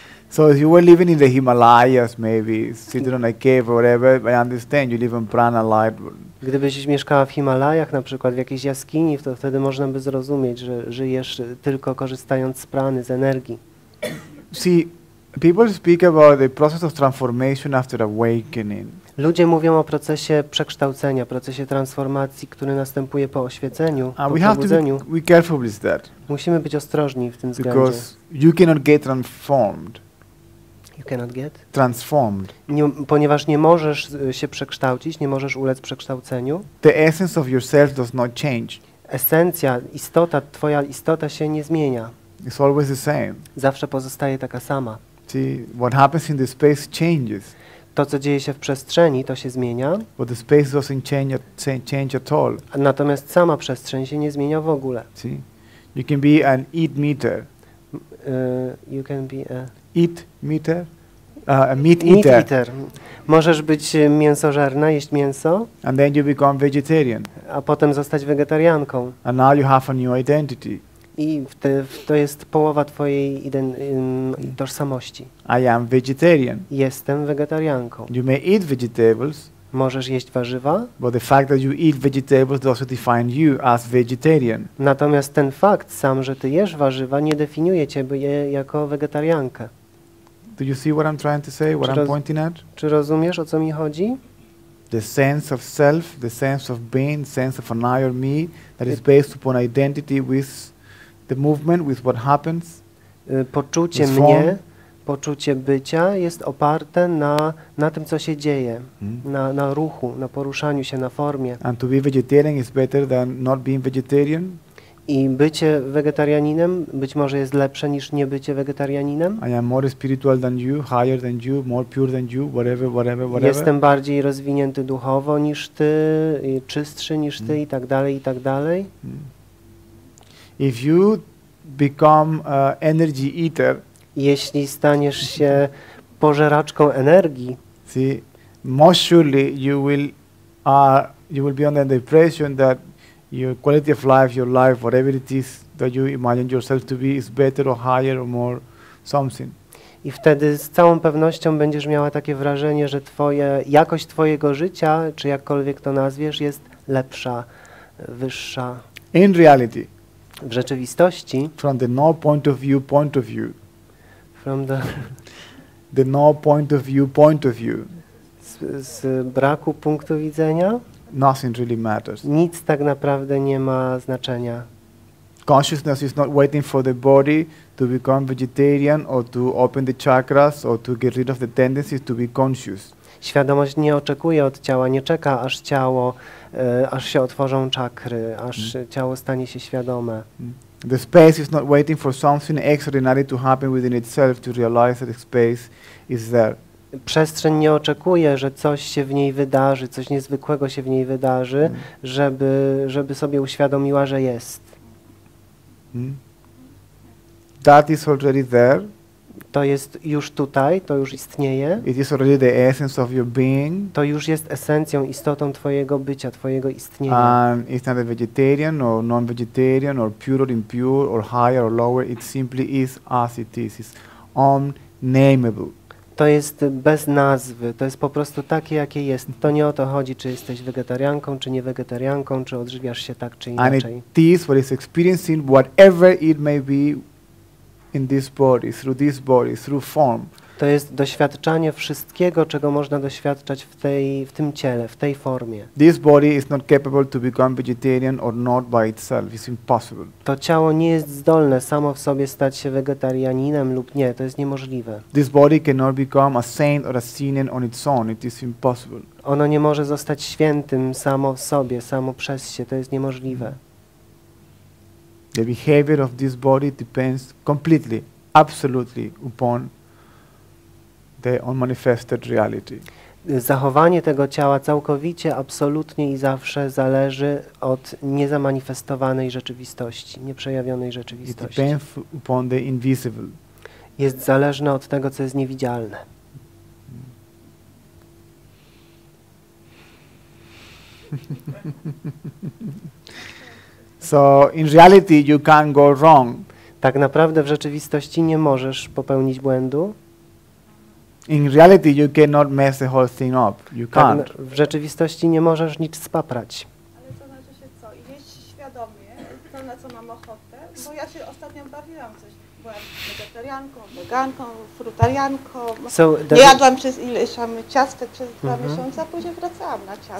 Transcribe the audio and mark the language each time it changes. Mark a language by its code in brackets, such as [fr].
[en] So if you were living in the Himalayas, maybe sitting on a cave or whatever, I understand you live in prana light. [pl] Gdybyś mieszkała w Himalajach, na przykład w jakiejś jaskini, to wtedy można by zrozumieć, że żyjesz tylko korzystając z prany, z energii. [en] See, people speak about the process of transformation after awakening. [pl] Ludzie mówią o procesie przekształcenia, procesie transformacji, który następuje po oświeceniu, [en] and [pl] po przebudzeniu. [en] We careful with that. [pl] Musimy być ostrożni w tym względzie. [en] Because you cannot get transformed. You cannot get transformed. [pl] Ponieważ nie możesz się przekształcić, nie możesz ulec przekształceniu. [en] The essence of yourself does not change. [pl] Esencja, istota, twoja istota się nie zmienia. [en] It's always the same. [pl] Zawsze pozostaje taka sama. [en] See, what happens in the space changes. [pl] To, co dzieje się w przestrzeni, to się zmienia. [en] But the space doesn't change at all. [pl] Natomiast sama przestrzeń się nie zmienia w ogóle. [en] See? You can be an eat meter. You can be a eat meter. meat eater. [pl] Możesz być mięsożerna, jeść mięso. [en] And then you become vegetarian. [pl] A potem zostać wegetarianką. [en] And now you have a new identity. [pl] I to jest połowa twojej tożsamości. [en] I am vegetarian. [pl] Jestem wegetarianką. [en] You may eat vegetables. [pl] Możesz jeść warzywa. [en] But the fact that you eat vegetables does not define you as vegetarian. [pl] Natomiast ten fakt sam, że ty jesz warzywa, nie definiuje ciebie jako wegetariankę. [en] Do you see what I'm trying to say, what I'm pointing at? [pl] Czy rozumiesz, o co mi chodzi? [en] The sense of self, the sense of being, sense of an I or me that is based upon identity with the movement, with what happens. [pl] Poczucie mnie, poczucie bycia jest oparte na tym, co się dzieje, na ruchu, na poruszaniu się, na formie. [en] And to be vegetarian is better than not being vegetarian. [pl] I bycie wegetarianinem być może jest lepsze niż nie bycie wegetarianinem. [en] I am more spiritual than you, higher than you, more pure than you, whatever. [pl] Jestem bardziej rozwinięty duchowo niż ty, czystszy niż ty, i tak dalej. [en] If you become energy eater, [pl] jeśli staniesz się pożeraczką energii, [en] most surely you will be under the impression that your quality of life, whatever it is that you imagine yourself to be, is better or higher or more something. [pl] I wtedy z całą pewnością będziesz miała takie wrażenie, że jakość twojego życia, czy jakkolwiek to nazwiesz, jest lepsza, wyższa. [en] In reality. [pl] W rzeczywistości. [en] From the no point of view, point of view. From the. The no point of view, point of view. [pl] Z braku punktu widzenia. [en] Nothing really matters. [pl] Nic tak naprawdę nie ma znaczenia. [en] Consciousness is not waiting for the body to become vegetarian or to open the chakras or to get rid of the tendencies to be conscious. [pl] Świadomość nie oczekuje od ciała, nie czeka aż ciało, aż się otworzą czakry, aż ciało stanie się świadome. [en] The space is not waiting for something extraordinary to happen within itself to realize that space is there. [pl] Przestrzeń nie oczekuje, że coś się w niej wydarzy, coś niezwykłego się w niej wydarzy, żeby sobie uświadomiła, że jest. [en] That is already there. [pl] To jest już tutaj, to już istnieje. [en] It is already the essence of your being. [pl] To już jest esencją, istotą twojego bycia, twojego istnienia. [en] And it's not a vegetarian or non-vegetarian or pure or impure or higher or lower. It simply is as it is. It's unnameable. [pl] To jest bez nazwy, to jest po prostu takie, jakie jest. To nie o to chodzi, czy jesteś wegetarianką, czy nie wegetarianką, czy odżywiasz się tak, czy inaczej. [en] And it is what is experiencing, whatever it may be in this body, through form. [pl] To jest doświadczanie wszystkiego, czego można doświadczać w tym ciele, w tej formie. [en] This body is not capable to become vegetarian or not by itself. It's impossible. [pl] To ciało nie jest zdolne samo w sobie stać się wegetarianinem lub nie. To jest niemożliwe. [en] This body cannot become a saint or a sinner on its own. It is impossible. [pl] Ono nie może zostać świętym samo w sobie, samo przez się. To jest niemożliwe. [en] The behavior of this body depends completely, absolutely upon the unmanifested reality. [pl] Zachowanie tego ciała całkowicie, absolutnie i zawsze zależy od niezamanifestowanej rzeczywistości, nieprzejawionej rzeczywistości. [en] It depends upon the invisible. [pl] Jest zależne od tego, co jest niewidzialne. [en] So in reality you can't go wrong. [pl] Tak naprawdę w rzeczywistości nie możesz popełnić błędu. [en] In reality you cannot mess the whole thing up. You can't. [pl] W rzeczywistości nie możesz nic spaprać. Ale to znaczy się co? Jeść świadomie, to na co mam ochotę, bo ja się ostatnio bawiłam coś. Byłam wegetarianką, weganką, frutarianką. [en] So [pl] nie jadłam przez ileś ciastek, wracałam na ciastka.